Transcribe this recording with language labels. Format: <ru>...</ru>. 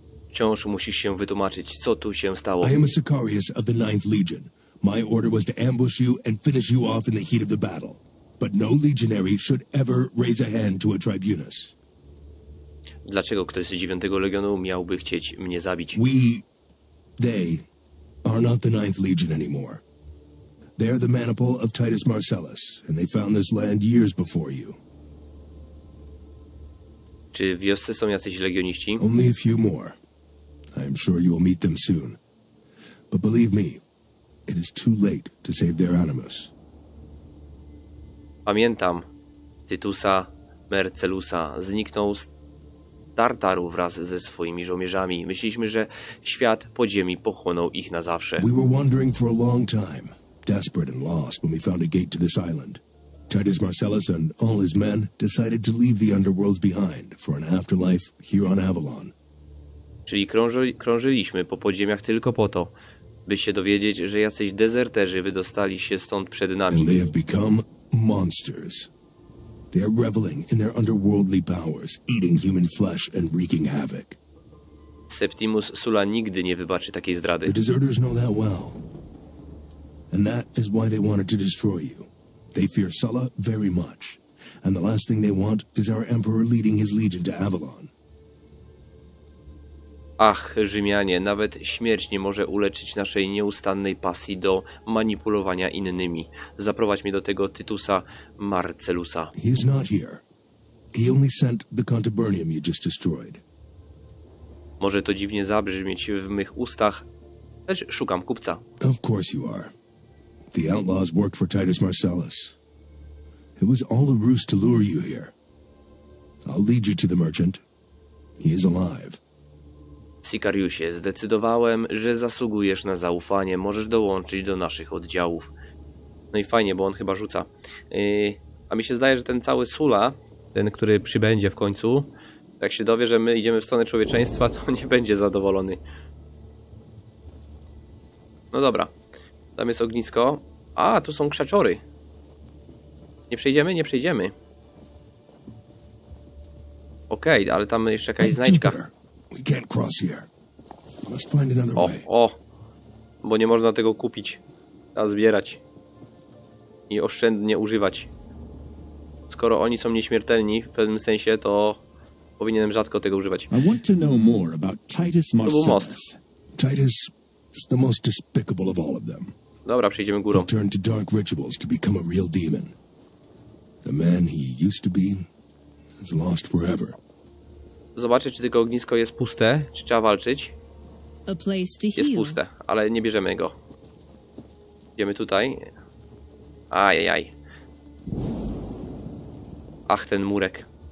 <pl>Wciąż musisz się wytłumaczyć, co tu się stało.</pl> <en>I am a Sicarius of the 9th Legion. My order was to ambush you and finish you off in the heat of the battle. But no legionary should ever raise a hand to a tribunus.</en> <pl>Dlaczego ktoś z 9th Legionu miałby chcieć mnie zabić?</pl> <en>They are not the 9th Legion anymore. They are the maniple of Titus Marcellus, and they found this land years before you.</en> <pl>Czy w wiosce są jacyś legioniści?</pl> <en>Only a few more. I am sure you will meet them soon. But believe me, it is too late to save their animus.</en> <pl>Pamiętam Tytusa Marcellusa. Zniknął z Tartaru wraz ze swoimi żołnierzami. Myśleliśmy, że świat podziemi pochłonął ich na zawsze.</pl> <en>We were wandering for a long time, desperate and lost when we found a gate to this island. Titus Marcellus and all his men decided to leave the underworlds behind for an afterlife here on Avalon.</en> <pl>Czyli krążyliśmy po podziemiach tylko po to, by się dowiedzieć, że jacyś dezerterzy wydostali się stąd przed nami.</pl> <en>And they have become monsters. They are reveling in their underworldly powers, eating human flesh and wreaking havoc.</en> <pl>Septimus Sulla nigdy nie wybaczy takiej zdrady.</pl> <en>The deserters know that well. And that is why they wanted to destroy you. They fear Sulla very much. And the last thing they want is our emperor leading his legion to Avalon.</en> <pl>Ach, Rzymianie, nawet śmierć nie może uleczyć naszej nieustannej pasji do manipulowania innymi. Zaprowadź mnie do tego Tytusa Marcellusa.</pl> <en>He's not here. He only sent the Contubernium you just destroyed.</en> <pl>Może to dziwnie zabrzmieć w mych ustach, lecz szukam kupca.</pl> <en>Of course you are. The outlaws worked for Titus Marcellus. It was all a ruse to lure you here. I'll lead you to the merchant. He is alive.</en> <pl>Sicariusie, zdecydowałem, że zasługujesz na zaufanie. Możesz dołączyć do naszych oddziałów. No i fajnie, bo on chyba rzuca. A mi się zdaje, że ten cały Sulla, ten, który przybędzie w końcu, jak się dowie, że my idziemy w stronę człowieczeństwa, to nie będzie zadowolony. No dobra. Tam jest ognisko. A, tu są krzaczory. Nie przejdziemy? Nie przejdziemy. Okej, ale tam jeszcze jakaś znajdźka.</pl> <en>We can't cross here. Must find another way.</en> <pl>O, bo nie można tego kupić, a zbierać i oszczędnie używać. Skoro oni są nieśmiertelni w pewnym sensie, to powinienem rzadko tego używać.</pl> <en>I want to know more about Titus Marcellus. Titus is the most despicable of all of them.</en> <pl>Dobra, przejdziemy górą.</pl> <en>He turned to dark rituals to become a real demon. The man he used to be is lost forever.</en> <pl>Zobaczę, czy tylko ognisko jest puste, czy trzeba walczyć. Jest puste, ale nie bierzemy go. Idziemy tutaj. Ajajaj. Ach, ten murek.</pl>